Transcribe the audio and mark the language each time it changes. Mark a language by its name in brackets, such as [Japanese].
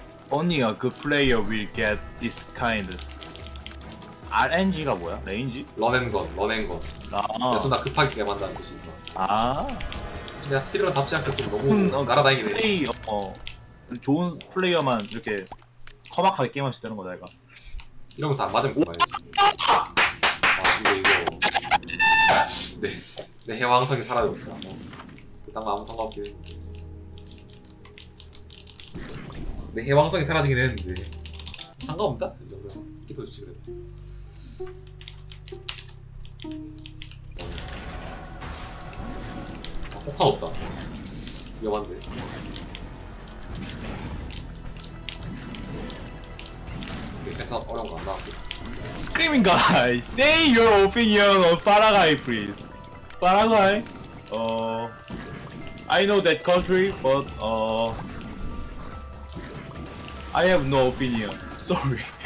[English] Only a good player will get this kind. [Korean] RNG가 뭐야? 레인지? 런앤건. 좀 나 급하게 게임한다는 뜻인가? 아. 내가 스피드로 답지 않게 좀 너무 날아다니긴 해. 플레이어. 좋은 플레이어만 이렇게 커박하게 게임할 수 있다는 거다 이거. 이런 거 잘 맞으면 좋아야지. 아 근데 이거. 내 해왕성이 사라졌다. 뭐. 그딴 거 아무 상관없긴 했는데. 내 해왕성이 사라지긴 했는데. 상관없다. 이 정도면 기도 좋지 그래도. 아, 폭탄 없다. 위험한데. 괜찮아, 어려운 거 안 나왔고. [English] Screaming guy, say your opinion on Paraguay, please. Paraguay, I know that country, but I have no opinion. Sorry.